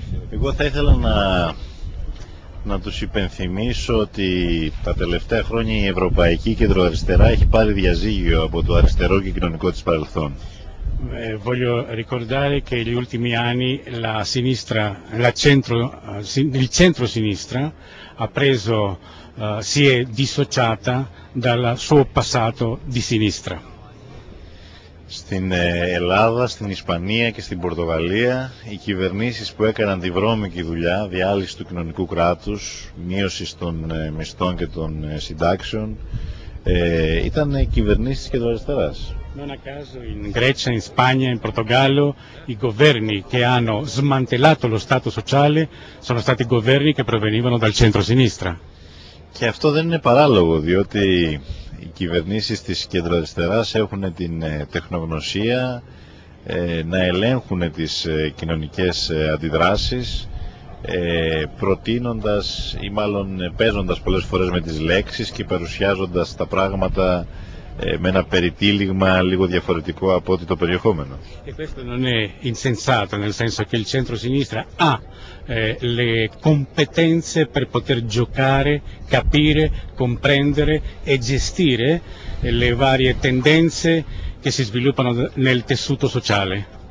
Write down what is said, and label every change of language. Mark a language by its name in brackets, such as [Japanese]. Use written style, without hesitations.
[Greek] Εγώ θα ήθελα να τους υπενθυμίσω ότι τα τελευταία χρόνια η Ευρωπαϊκή Κεντροαριστερά έχει πάρει διαζύγιο από το αριστερό και κοινωνικό της παρελθόν. [Italian] Voglio ricordare che negli ultimi anni la sinistra, il centro-sinistra ha preso, si è dissociata dal suo passato di sinistra. [Greek] Στην Ελλάδα, στην Ισπανία και στην Πορτογαλία, οι κυβερνήσεις που έκαναν τη βρώμικη δουλειά, διάλυση του κοινωνικού κράτους, μείωση των μισθών και των συντάξεων, ήταν κυβερνήσεις της κεντροαριστεράς. [Italian] Non a caso in Grecia, in Spagna, in Portogallo, i governi che hanno smantellato lo Stato sociale sono stati governi che provenivano dal centro-sinistra. [Greek] Και αυτό δεν είναι παράλογο, διότι οι κυβερνήσεις της κεντροαριστεράς έχουν την τεχνογνωσία να ελέγχουν τις κοινωνικές αντιδράσεις, προτείνοντας ή μάλλον παίζοντας πολλές φορές με τις λέξεις και παρουσιάζοντας τα πράγματα με ένα περιτύλιγμα λίγο διαφορετικό από ότι το περιεχόμενο. [Italian] Και questo non è insensato, nel senso che il centro-sinistra ha le competenze per poter giocare, capire, comprendere e gestire le varie tendenze che si sviluppano nel tessuto sociale.